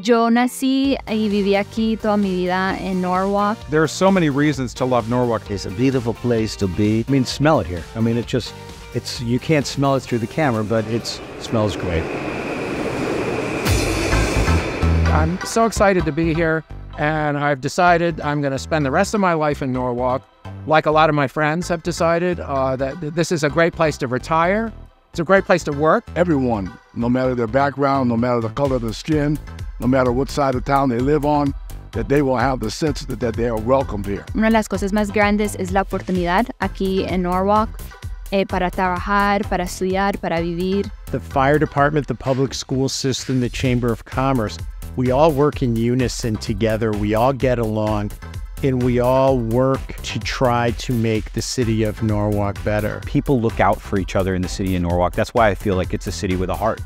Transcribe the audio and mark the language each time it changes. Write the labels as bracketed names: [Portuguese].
[Spanish] Yo nací y viví aquí toda mi vida en Norwalk. [English] There are so many reasons to love Norwalk. It's a beautiful place to be. I mean, smell it here. I mean, it's you can't smell it through the camera, but it smells great. I'm so excited to be here, and I've decided I'm going to spend the rest of my life in Norwalk. Like a lot of my friends have decided, that this is a great place to retire. It's a great place to work. Everyone, no matter their background, no matter the color of their skin, no matter what side of town they live on, that they will have the sense that they are welcomed here. [Spanish] Una de las cosas más grandes es la oportunidad aquí en Norwalk para trabajar, para estudiar, para vivir. [English] The fire department, the public school system, the chamber of commerce, we all work in unison together. We all get along. And we all work to try to make the city of Norwalk better. People look out for each other in the city of Norwalk. That's why I feel like it's a city with a heart.